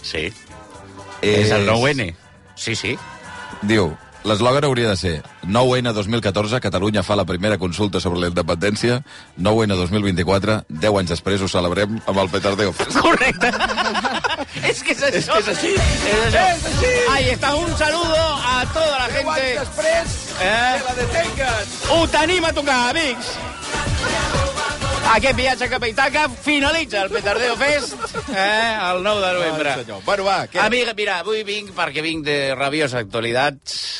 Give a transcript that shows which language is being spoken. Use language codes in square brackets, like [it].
[ca] Sí. És el 9N. Sí, sí. Diu, l'eslògan hauria de ser 9N 2014, Catalunya fa la primera consulta sobre la independència, 9N 2024, 10 anys després ho celebrem amb el Petardeo Fest. Correcte. És que és això. És que és així. És així. [es] Ahí está, un saludo a toda la gente. [ca] 10 anys després, que la detengues. Ho tenim a tocar, amics. Aquest viatge cap a Itaca finalitza el Petardeo Fest el 9 de novembre. Ah, bueno, va, què? Amiga, mira, avui vinc perquè vinc de rabiosa actualitat.